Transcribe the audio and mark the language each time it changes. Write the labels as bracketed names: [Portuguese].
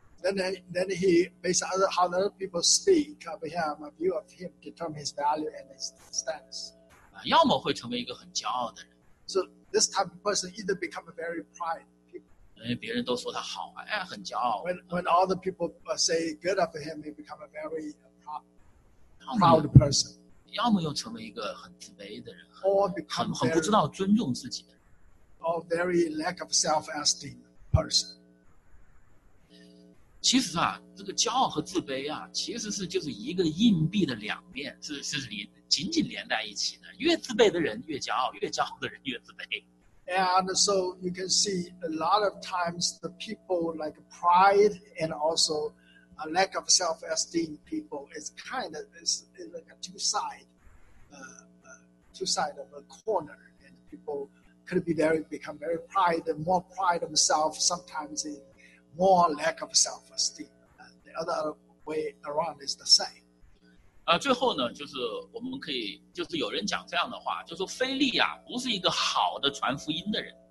[English] Then he based on how other people speak of him, a view of him, determine his value and his status. [Chinese] 要么会成为一个很骄傲的人。 [English] So. This type of person either become a very pride people. [Chinese] 因为别人都说他好，哎，很骄傲。 [English] When all the people say good of him, he become a very proud person. [Chinese] 要么又成为一个很自卑的人， [English] or become [Chinese] 很不知道尊重自己的人。 [English] Or very lack of self-esteem person. [Chinese] 其实啊，这个骄傲和自卑啊，其实是就是一个硬币的两面，是连紧紧连在一起的。越自卑的人越骄傲，越骄傲的人越自卑。 [English] And so you can see a lot of times the people like pride and also a lack of self-esteem people is kind of is like a two side of a corner, and people could be become very pride and more pride of self, sometimes in more lack of self-esteem. The other way around is the same. [Chinese] 最后呢，就是我们可以，就是有人讲这样的话，就是说腓力啊，不是一个好的传福音的人。